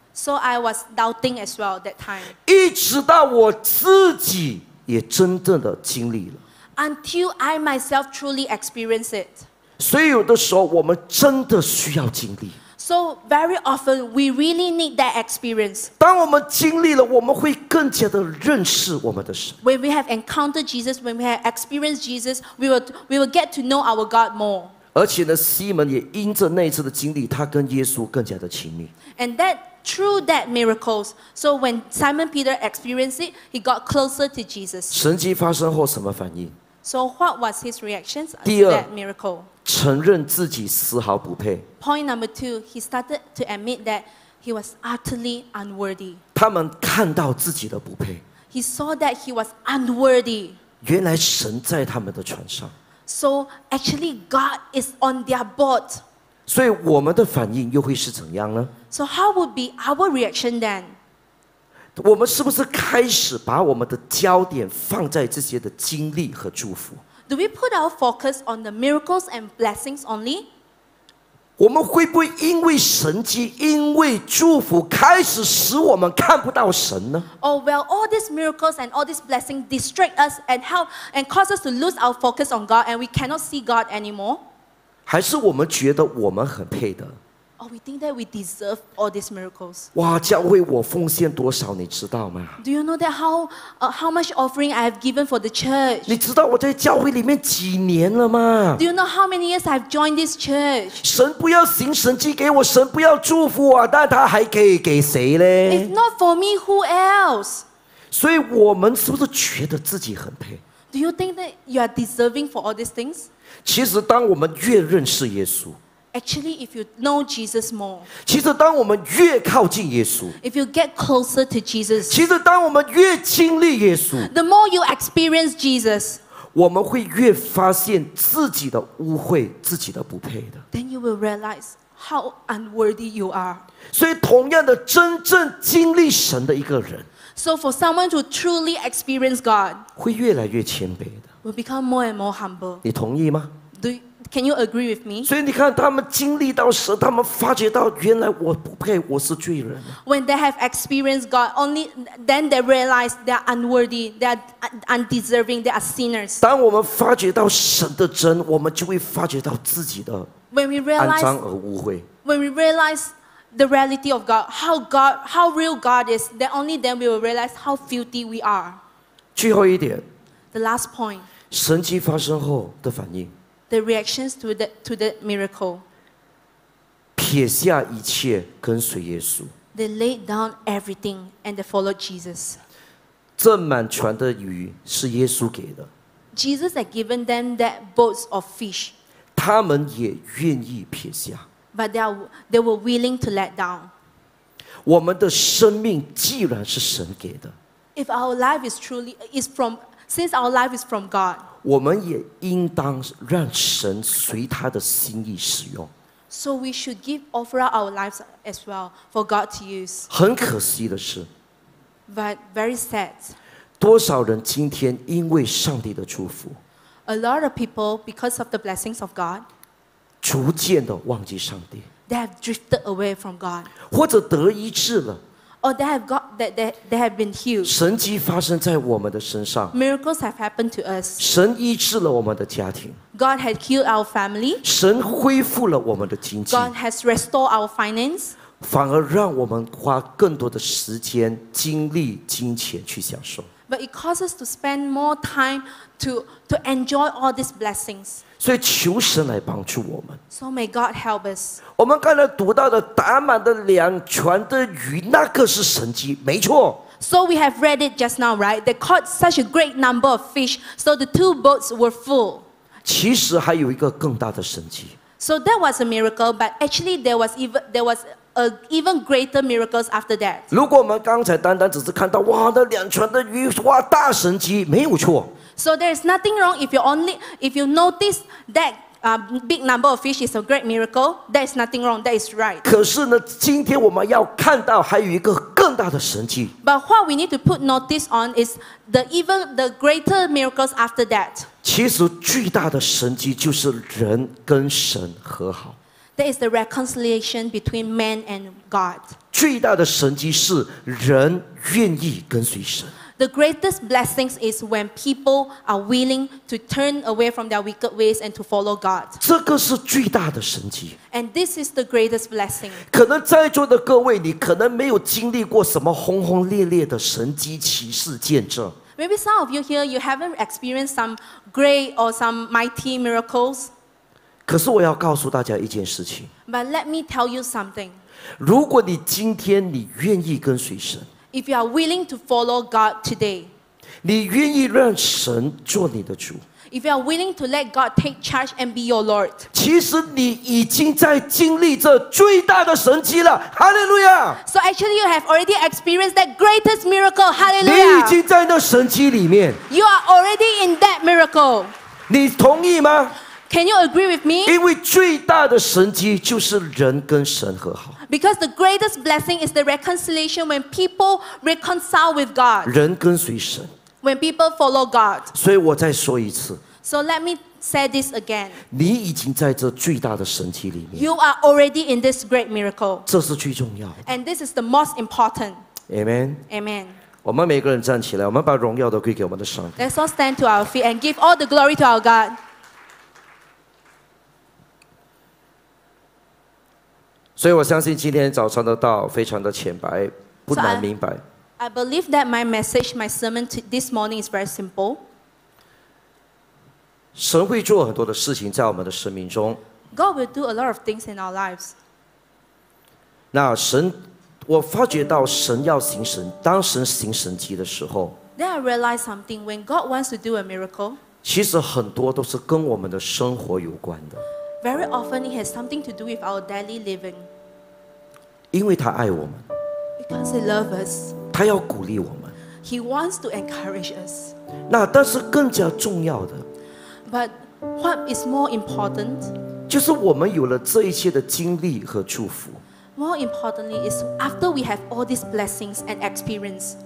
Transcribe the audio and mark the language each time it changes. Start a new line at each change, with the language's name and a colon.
English: So I was doubting as well that time.
Chinese: 一直到我自己也真正的经历了。
English: Until I myself truly experienced it.
Chinese: 所以有的时候我们真的需要经历。
English: So very often we really need that experience.
Chinese: 当我们经历了，我们会更加的认识我们的神。
English: When we have encountered Jesus, when we have experienced Jesus, we will get to know our God more.
Chinese: 而且呢，西门也因着那一次的经历，他跟耶稣更加的亲密。
English: And that through that miracles, so when Simon Peter experienced it, he got closer to Jesus.
Chinese: 神迹发生后什么反应
English: ？So what was his reactions to that miracle?
Chinese: 第二。承认自己丝毫不配。
English: Point number two, he started to admit that he was utterly unworthy.
Chinese: 他们看到自己的不配。
English: He saw that he was unworthy.
Chinese: 原来神在他们的船上。
English: So actually, God is on their boat.
Chinese: 所以我们的反应又会是怎样呢
English: ？So how would be our reaction then?
Chinese: 我们是不是开始把我们的焦点放在这些的经历和祝福？
English: Do we put our focus on the miracles and blessings only?
Chinese: 我们会不会因为神迹，因为祝福，开始使我们看不到神呢
English: ？Oh well, all these miracles and all these blessings distract us and help and cause us to lose our focus on God, and we cannot see God anymore.
Chinese: 还是我们觉得我们很配的
English: ？Oh, we think that we deserve all these miracles.
Chinese: 哇，教会我奉献多少，你知道吗
English: ？Do you know that how much offering I have given for the church?
Chinese: 你知道我在教会里面几年了吗
English: ？Do you know how many years I've joined this church?
Chinese: 神不要行神迹给我，神不要祝福我，但他还可以给谁呢
English: ？If not for me, who else?
Chinese: 所以我们是不是觉得自己很配
English: ？Do you think that you are deserving for all these things?
Chinese: 其实，当我们越认识耶稣。
English: Actually, if you know Jesus more,
Chinese: 其实当我们越靠近耶稣
English: if you get closer to Jesus,
Chinese: 其实当我们越经历耶稣
English: the more you experience Jesus,
Chinese: 我们会越发现自己的污秽，自己的不配的
English: then you will realize how unworthy you are.
Chinese: 所以同样的，真正经历神的一个人
English: so for someone to truly experience God,
Chinese: 会越来越谦卑的
English: will become more and more humble.
Chinese: 你同意吗
English: Can you agree with me?
Chinese: 所以你看，他们经历到神，他们发觉到原来我不配，我是罪人。
English: When they have experienced God, only then they realize they are unworthy, they are undeserving, they are sinners.
Chinese: 当我们发觉到神的真，我们就会发觉到自己的肮脏而污秽。
English: When we realize the reality of God, how real God is, then only then we will realize how filthy we are.
Chinese: 最后一点。
English: The last point.
Chinese: 神迹发生后的反应。
English: The reactions to the miracle.
Chinese: 撇下一切跟随耶稣。
English: They laid down everything and they followed Jesus.
Chinese: 这满船的鱼是耶稣给的。
English: Jesus had given them that boats of fish.
Chinese: 他们也愿意撇下。
English: But they were willing to let down.
Chinese: 我们的生命既然是神给的。
English: If our life is truly is from since our life is from God.
Chinese: 我们也应当让神随他的心意使用。
English: So we should give offer our lives as well for God to use.
Chinese: 很可惜的是
English: but very sad.
Chinese: 多少人今天因为上帝的祝福
English: ？A lot of people because of the blessings of God.
Chinese: 逐渐的忘记上帝。
English: They have drifted away from God.
Chinese: 或者得医治了。
English: Or they have been healed.
Chinese: 神迹发生在我们的身上。
English: Miracles have happened to us.
Chinese: 神医治了我们的家庭。
English: God has healed our family.
Chinese: 神恢复了我们的经济。
English: God has restored our finance.
Chinese: 反而让我们花更多的时间、精力、金钱去享受。
English: But it causes us to spend more time to enjoy all these blessings.
Chinese: 所以求神来帮助我们。
English: So may God help us.
Chinese: 我们刚才读到的打满的两船的鱼，那个是神迹，没错。
English: So we have read it just now, right? They caught such a great number of fish, so the two boats were full.
Chinese: 其实还有一个更大的神迹。
English: So that was a miracle, but actually there was even greater miracles after that.
Chinese: 如果我们刚才单单只是看到哇，那两船的鱼，哇，大神迹，没有错。
English: So there is nothing wrong if you notice that big number of fish is a great miracle. That is nothing wrong. That is right.
Chinese: 可是呢，今天我们要看到还有一个更大的神迹。
English: But what we need to put notice on is the greater miracles after that.
Chinese: 其实最大的神迹就是人跟神和好。
English: That is the reconciliation between man and God.
Chinese: 最大的神迹是人愿意跟随神。
English: The greatest blessings is when people are willing to turn away from their wicked ways and to follow God.
Chinese: 这个是最大的神迹。
English: And this is the greatest blessing.
Chinese: 可能在座的各位，你可能没有经历过什么轰轰烈烈的神迹奇事见证。
English: Maybe some of you here, you haven't experienced some great or some mighty miracles.
Chinese: 可是我要告诉大家一件事情。
English: But let me tell you something.
Chinese: 如果你今天你愿意跟随神
English: ，If you are willing to follow God today，
Chinese: 你愿意让神做你的主
English: ，If you are willing to let God take charge and be your Lord，
Chinese: 其实你已经在经历这最大的神迹了。
English: Hallelujah! So actually, you have already experienced that greatest miracle. Hallelujah!
Chinese: 你已经在那神迹里面。
English: You are already in that miracle.
Chinese: 你同意吗？
English: Can you agree with me?
Chinese: 因为最大的神迹就是人跟神和好。
English: Because the greatest blessing is the reconciliation when people reconcile with God.
Chinese: 人跟随神。
English: When people follow God.
Chinese: 所以我再说一次。
English: So let me say this again.
Chinese: 你已经在这最大的神迹里面。
English: You are already in this great miracle.
Chinese: 这是最重要的。
English: And this is the most important. Amen. Amen.
Chinese: 我们每个人站起来，我们把荣耀都归给我们的神。
English: Let's all stand to our feet and give all the glory to our God.
Chinese: 所以我相信今天早上的道非常的浅白，不难明白。
English: I believe that my message, my sermon this morning is very simple.
Chinese: 神会做很多的事情在我们的生命中。
English: God will do a lot of things in our lives.
Chinese: 那神，我发觉到神要行神，当神行神迹的时候。
English: Then I realize something. When God wants to do a miracle.
Chinese: 其实很多都是跟我们的生活有关的。
English: Very often, it has something to do with our daily living.
Chinese: 因为他爱我们。
English: Because he loves us.
Chinese: 他要鼓励我们。
English: He wants to encourage us.
Chinese: 那但是更加重要的。
English: But what is more important?
Chinese: 就是我们有了这一切的经历和祝福。
English: More importantly is after we have all these blessings and experience.